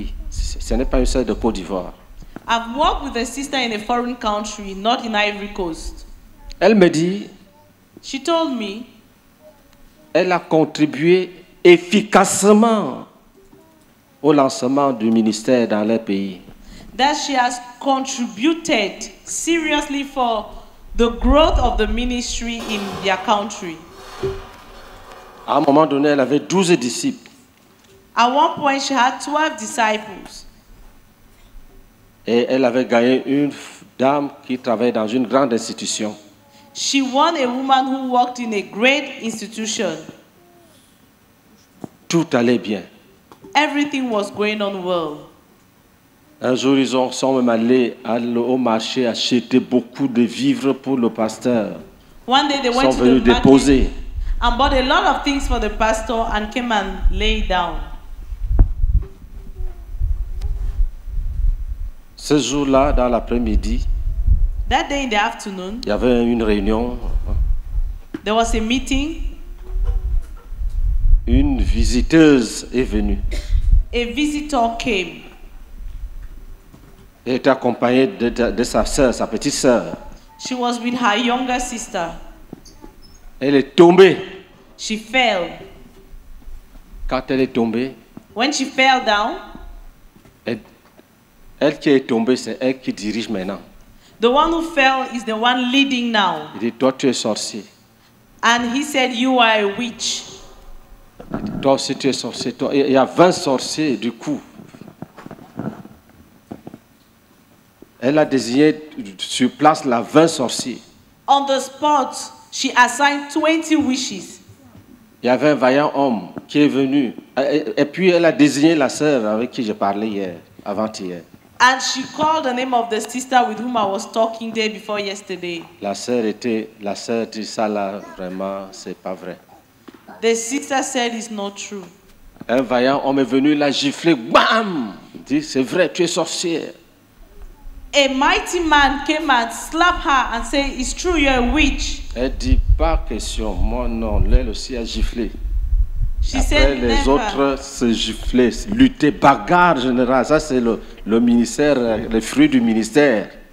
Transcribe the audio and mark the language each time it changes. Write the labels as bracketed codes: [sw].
[fr] Ce n'est pas une sœur de Côte d'Ivoire. [en] I've worked with a sister in a foreign country, not in Ivory Coast. [fr] Elle me dit. [en] She told me. [fr] Elle a contribué efficacement au lancement du ministère dans leur pays. [en] That she has contributed seriously for the growth of the ministry in their country. [fr] À un moment donné, elle avait 12 disciples. [en] At one point, she had 12 disciples. [fr] Et elle avait gagné une dame qui travaillait dans une grande institution. [en] She won a woman who worked in a great institution. [fr] Tout allait bien. [en] Everything was going on well. [fr] Un jour, ils sont même allés au marché acheter beaucoup de vivres pour le pasteur. [en] One day, they went to the market. [fr] Déposer. [en] And bought a lot of things for the pastor and came and lay down. [fr] Ce jour-là, dans l'après-midi, [en] that day in the afternoon, [fr] il y avait une réunion. [en] There was a meeting. [fr] Une visiteuse est venue. [en] A visitor came. [fr] Elle était accompagnée de sa sœur, sa petite sœur. [en] She was with her younger sister. [fr] Elle est tombée. [en] She fell. [fr] Quand elle est tombée, [en] when she fell down, [fr] elle qui est tombée, c'est elle qui dirige maintenant. [en] The one who fell is the one leading now. [fr] Il dit, toi, tu es sorcier. [en] And he said, you are a witch. [fr] Il dit, toi aussi, tu es sorcier. Il y a 20 sorciers, du coup. Elle a désigné sur place la 20 sorciers. [en] On the spot, she assigned 20 witches. [fr] Il y avait un vaillant homme qui est venu. Et puis elle a désigné la sœur avec qui je parlais hier, avant-hier. [en] And she called the name of the sister with whom I was talking day before yesterday. [fr] La sœur dit ça là, vraiment, c'est pas vrai. [en] The sister said it's not true. [fr] Un vaillant homme est venu, l'a giflé, bam! Dit, c'est vrai, tu es sorcière. [en] a mighty man came and slapped her and said, it's true, you're a witch. [fr] Elle dit, pas question, mon nom, l'elle aussi a giflé. [en] She [fr] Après, [en] said, [fr] les autres se giflaient, luttaient, bagarre générale. Ça, c'est le ministère, les fruits du ministère.